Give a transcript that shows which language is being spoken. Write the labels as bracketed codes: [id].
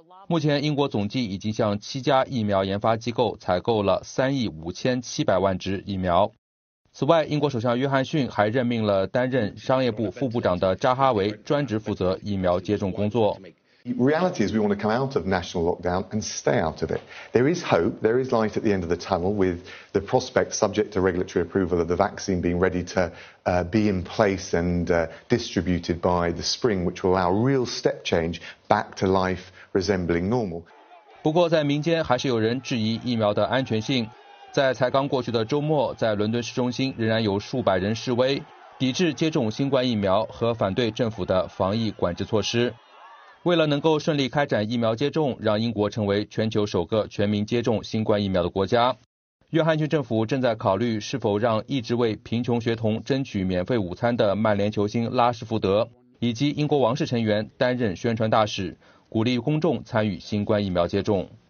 [zh] 目前，英国总计已经向7家疫苗研发机构采购了3亿5700万支疫苗。此外，英国首相约翰逊还任命了担任商业部副部长的扎哈维专职负责疫苗接种工作。 [en] Reality is we want to come out of national lockdown and stay out of it. There is hope, there is light at the end of the tunnel with the prospect, subject to regulatory approval, of the vaccine being ready to be in place and distributed by the spring, which will allow real step change back to life resembling normal. [zh] 不过在民间还是有人质疑疫苗的安全性。在才刚过去的周末，在伦敦市中心仍然有数百人示威，抵制接种新冠疫苗和反对政府的防疫管制措施。为了能够顺利开展疫苗接种，让英国成为全球首个全民接种新冠疫苗的国家，约翰逊政府正在考虑是否让一直为贫穷学童争取免费午餐的曼联球星拉什福德以及英国王室成员担任宣传大使，鼓励公众参与新冠疫苗接种。